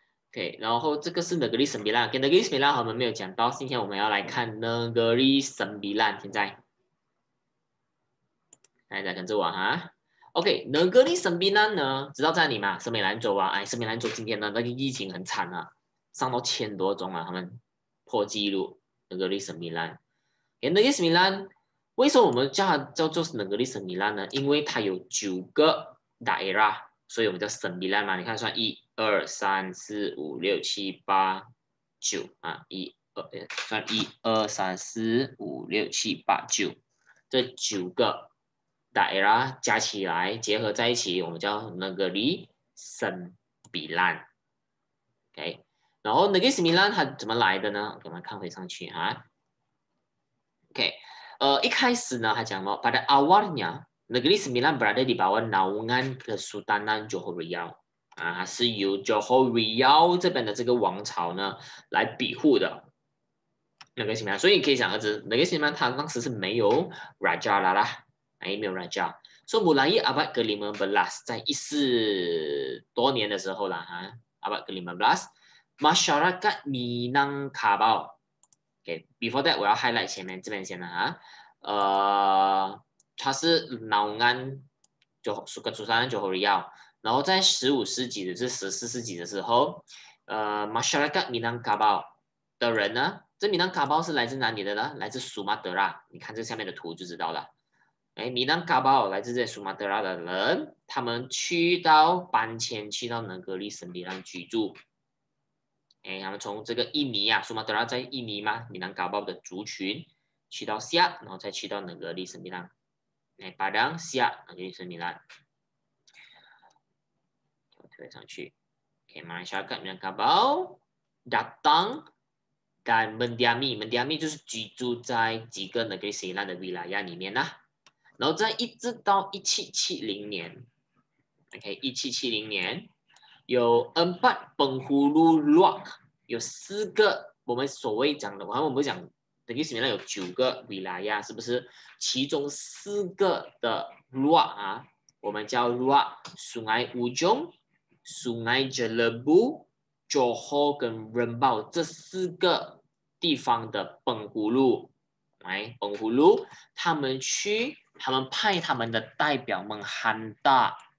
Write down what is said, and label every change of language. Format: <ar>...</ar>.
<zh>OK， 然后这个是 Negeri Sembilan， 跟 Negeri Sembilan 我们没有讲到，今天我们要来看 Negeri Sembilan。现在，大家跟着我哈。 OK， Negeri Sembilan 呢，知道在哪里吗？圣米兰州啊，哎，圣米兰州今天呢那个疫情很惨啊，上到千多宗啊，他们破纪录。 Negeri Sembilan， 跟 Negeri Sembilan， 为什么我们叫它叫做 Negeri Sembilan 呢？因为它有九个。 Daerah， 所以我们叫 Sembilan 嘛，你看算一二三四五六七八九啊，一二算一二三四五六七八九，这九个 Daerah 加起来结合在一起，我们叫 Negeri Sembilan。 OK， 然后 Negeri Sembilan 它怎么来的呢？给我们看回上去啊。 OK， 一开始呢还讲了</zh> <ms>pada awalnya。 Negeri Sembilan berada di bawah naungan Kesultanan Johor Riau，</ms> <zh>啊，它是由 Johor Riau 这边的这个王朝呢来庇护的。 Negeri Sembilan， 所以你可以想而知 ，Negeri Sembilan 它当时是没有 Raja 啦啦，哎，没有 Raja。</zh> <ms>So mulai abad kelima belas，</ms> <zh>在一四多年的时候啦，</zh> <ms>哈 ，abad kelima belas， masyarakat Minangkabau。</ms> <zh>Okay，</zh> <en>before that，</en> <zh>我要 highlight 前面这边先啦，哈，它是</zh> <ms>Naungan Kesultanan Johor Riau，</ms> <zh>然后在十五世纪的是十四世纪的时候，masyarakat Minangkabau 的人呢，这 Minangkabau 是来自哪里的呢？来自 Sumatera， 你看这下面的图就知道了。哎 ，Minangkabau 来自这 Sumatera 的人，他们去到搬迁去到Negeri Sembilan居住。哎，他们从这个印尼啊 ，Sumatera 在印尼嘛 ，Minangkabau 的族群去到下，然后再去到Negeri Sembilan。 Padang Siak Negeri Sembilan， 我推上去。 Okay，</zh> <ms>masyarakat Minangkabau datang dan mendiami，</ms> <zh>mendiami 就是居住在几个 Negeri Sembilan 的 wilayah 里面啦。然后在一直到1770年 ，Okay， 1770年有</zh> <ms>empat penghulu luak，</ms> <zh>有四个我们所谓讲的，我们不讲。 Negeri Sembilan 有九个 wilayah， 是不是？其中四个的 luak 啊，我们叫 luak， Sungai Ujong， Sungai Jelebu， Johor 跟 Rembau 这四个地方的penghulu， 来 penghulu， 他们去，他们派他们的代表们 hantar</zh>